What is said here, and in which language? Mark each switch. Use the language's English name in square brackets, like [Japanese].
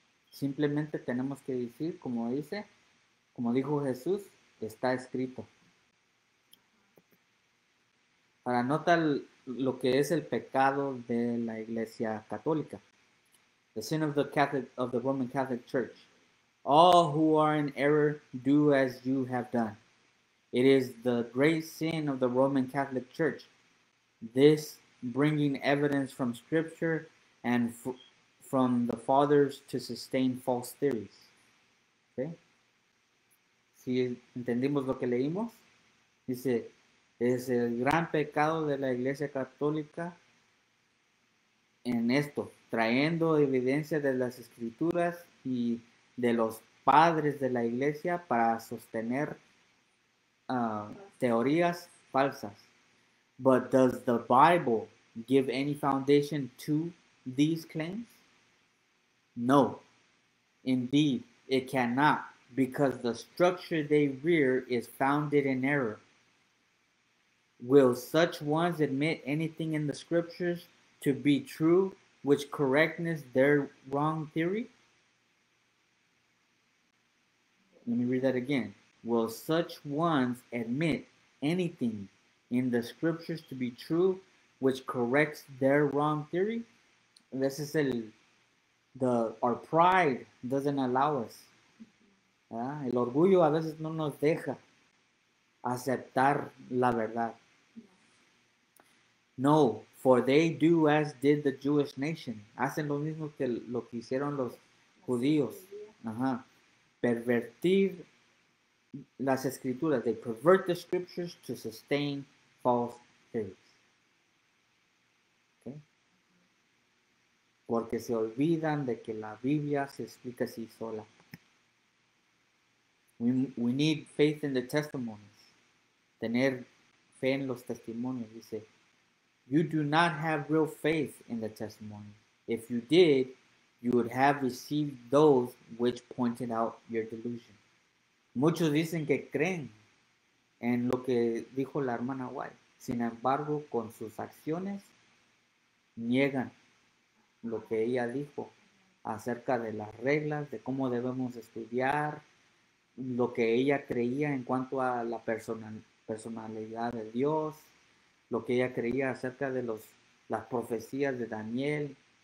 [Spanish] Simplemente tenemos que decir, como dice, como dijo Jesús, está escrito. Para notar lo que es el pecado de la Iglesia Católica. [English] The sin of the Catholic, of the Roman Catholic Church. All who are in error, do as you have done. It is the great sin of the Roman Catholic Church. This bringing evidence from Scripture and from the fathers to sustain false theories. Okay? [Spanish] Si entendimos lo que leímos, dice, es el gran pecado de la Iglesia Católica en esto, trayendo evidencia de las Escrituras y de los padres de la Iglesia para sostener teorías falsas. [English] But does the Bible give any foundation to these claims? No. Indeed, it cannot, because the structure they rear is founded in error. Will such ones admit anything in the scriptures to be true, which correctness their wrong theory? Let me read that again. Will such ones admit anything in the scriptures to be true, which corrects their wrong theory? This is our pride doesn't allow us. [Spanish] El orgullo a veces no nos deja aceptar la verdad. [English] No, for they do as did the Jewish nation. [Spanish] Hacen lo mismo que lo que hicieron los judíos. Pervertir las escrituras. [English] They pervert the scriptures to sustain false theories. Okay? [Spanish] Porque se olvidan de que la Biblia se explica así sola. [English] We need faith in the testimonies. [Spanish] Tener fe en los testimonios, dice. [English] You do not have real faith in the testimony. If you did, you would have received those which pointed out your delusion. [Spanish] Muchos dicen que creen en lo que dijo la hermana White. Sin embargo, con sus acciones, niegan lo que ella dijo acerca de las reglas, de cómo debemos estudiar, lo que ella creía en cuanto a la personalidad de Dios, lo que ella creía acerca de las profecías de Daniel.